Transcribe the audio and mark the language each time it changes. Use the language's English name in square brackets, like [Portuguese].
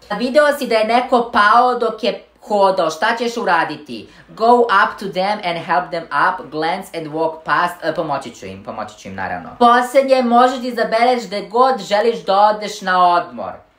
[Serbian] Video si da je neko pao dok je hodo, šta ćeš uraditi? [English] Go up to them and help them up, glance and walk past. [Serbian] Pomoći ću im naravno. Poslednje, možeš izabereš gde god želiš da odeš na odmor.